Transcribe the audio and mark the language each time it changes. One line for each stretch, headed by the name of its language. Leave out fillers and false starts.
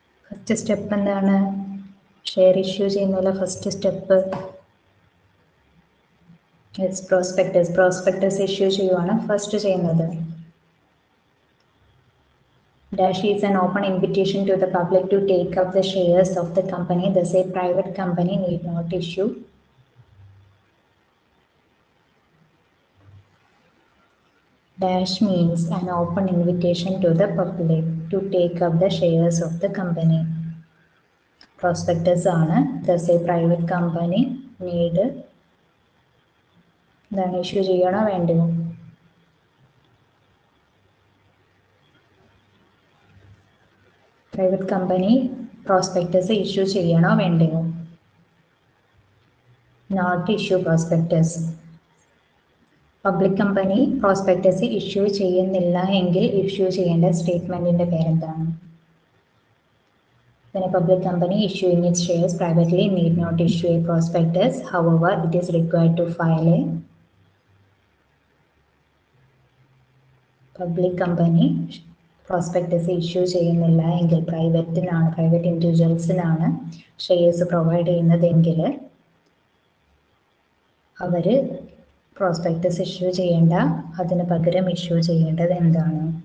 Malayalam: First step എന്താണ്? Share issue ചെയ്യുന്നതിലെ first step
English: It's prospectus.
Malayalam: Prospectus issue ചെയ്യുവാണ് first ചെയ്യുന്നത്. Dash is
English: An open invitation to the public to take up the shares of the company the say private company need not issue. Dash means an open invitation to the public to take up the shares of the company.
Malayalam: Prospectus ആണ്.
English: Thus a private company need then issue
Malayalam: ചെയ്യണോ വേണ്ടോ? Private company prospectus issue ചെയ്യണോ വേണ്ടോ?
English: Not issue prospectus.
Malayalam: Public company prospectus issue ചെയ്യുന്നില്ല എങ്കിൽ issue ചെയ്യേണ്ട സ്റ്റേറ്റ്മെന്റിന്റെ പേരെന്താണ്? പിന്നെ public company
English: issuing it shares privately need not issue a prospectus however it is required to file a
Malayalam: public company prospectus issue ചെയ്യുന്നില്ല എങ്കിൽ പ്രൈവറ്റിനാണ്, പ്രൈവറ്റ് ഇൻഡിവിജ്വൽസിനാണ് ഷെയർസ് പ്രൊവൈഡ് ചെയ്യുന്നതെങ്കിൽ അവർ prospectus issue ചെയ്യേണ്ട, അതിന് പകരം ഇഷ്യൂ ചെയ്യേണ്ടത് എന്താണ്?